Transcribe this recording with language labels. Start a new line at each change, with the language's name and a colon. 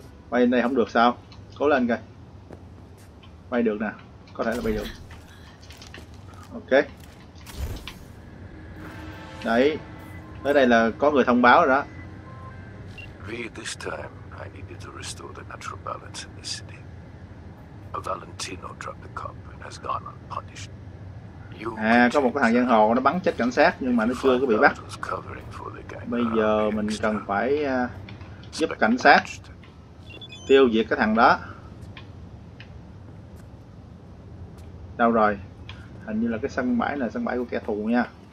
Vietnamese: Bay lên đây không được sao? Cố lên coi. Bay được nè. Có thể là bây giờ. Ok. Đấy. Tới đây là có người thông báo rồi
English: Reed, this time I needed to restore the natural balance in this city. A Valentino dropped the cop and has gone unpunished. You
Vietnamese: À, có một cái thằng giang hồ nó bắn chết cảnh sát nhưng mà nó chưa có bị bắt. Bây giờ mình cần phải giúp cảnh sát tiêu diệt cái thằng đó. Đâu rồi? Hình như là cái sân bãi này sân bãi của kẻ thù nha.